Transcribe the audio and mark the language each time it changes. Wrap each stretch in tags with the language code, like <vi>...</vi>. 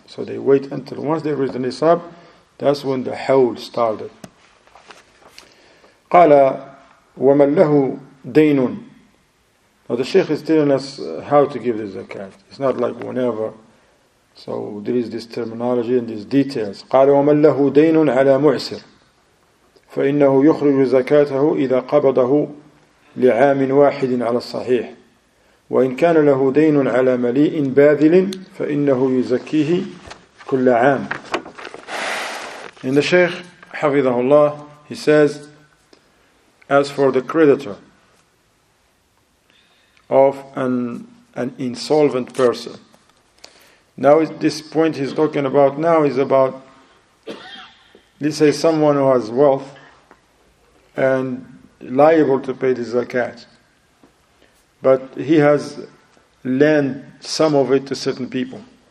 <en>So they wait until once they reach the nisab, that's when the hawl started.</en> <ar>قَالَ وَمَنْ لَهُ دَيْنٌ.</ar> <en>Now the Shaykh is telling us how to give the zakat. It's not like whenever. So there is this terminology and these details.</en> <ar>قَالَ وَمَنْ لَهُ دَيْنٌ عَلَى مُعْسِرٍ فَإِنَّهُ يُخْرِجُ زَكَاتَهُ إِذَا قَبَضَهُ لِعَامٍ وَاحِدٍ عَلَى الصَّحِيحِ وَإِنْ كَانَ لَهُ دَيْنٌ عَلَى مَلِيءٍ بَاذِلٍ فَإِنَّهُ يُزَكِّيهِ كُلَّ عَامٍ.</ar> <en>And the Shaykh, حَفِظَهُ اللَّهُ, he says, as for the creditor of an insolvent person. Now this point he's talking about now is about, let's say someone who has wealth and liable to pay the zakat, but he has lent some of it to certain people.</en>